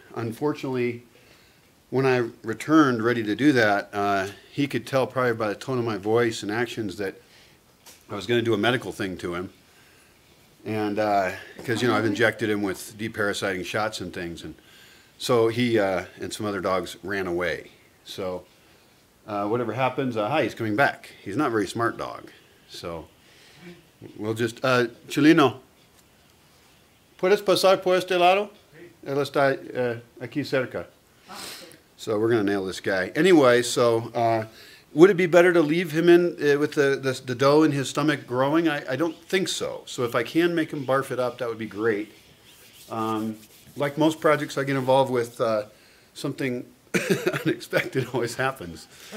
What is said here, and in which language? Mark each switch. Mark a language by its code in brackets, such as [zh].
[en] Unfortunately, when I returned ready to do that, he could tell probably by the tone of my voice and actions that I was going to do a medical thing to him. And because, you know, I've injected him with deparasiting shots and things. And so he and some other dogs ran away. So whatever happens, hi, he's coming back. He's not a very smart dog. So we'll just, [es] Chilino, ¿puedes pasar por este lado? Él está aquí cerca. [en] So we're going to nail this guy. Anyway, so would it be better to leave him in with the dough in his stomach growing? I don't think so. So if I can make him barf it up, that would be great. Like most projects I get involved with, something unexpected always happens.